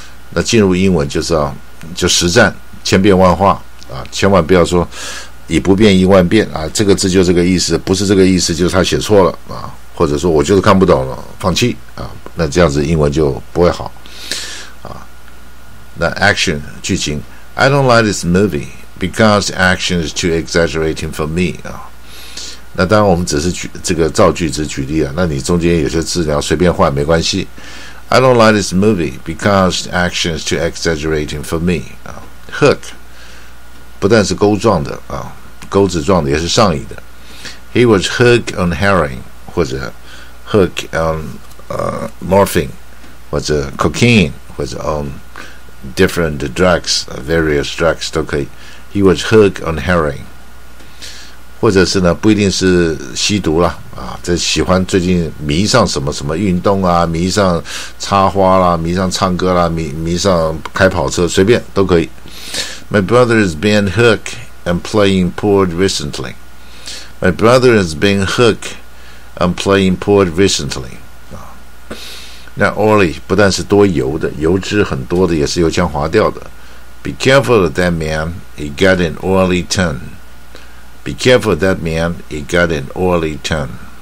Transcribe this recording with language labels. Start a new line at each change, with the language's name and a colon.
Chinese: 那进入英文就是要、就实战，千变万化啊，千万不要说以不变应万变啊。这个字就这个意思，不是这个意思就是他写错了啊，或者说我就是看不懂了，放弃啊。那这样子英文就不会好啊。
English: 那 action 剧情 ，I don't like this movie because action is too exaggerating for me 啊。
Chinese: 那当然我们只是这个造句子举例啊，那你中间有些字你要随便换没关系。
English: I don't like this movie because action is too exaggerating for me、Hook
Chinese: 不但是钩状的、钩子状的也是上瘾的。
English: He was hooked on heroin 或者 hooked on morphine 或者 cocaine 或者 on different drugs various drugs 都可以。 He was hooked on heroin，
Chinese: 或者是呢，不一定是吸毒啦，啊，这喜欢最近迷上什么什么运动啊，迷上插花啦，迷上唱歌啦，迷上开跑车，随便都可以。
English: My brother has been hooked and playing port recently. My brother has been hooked and playing port recently.
Chinese: 那 oily 不但是多油的，油脂很多的，也是油腔滑调的。
English: Be careful of that man, he got an oily tongue. Be careful of that man, he got an oily tongue.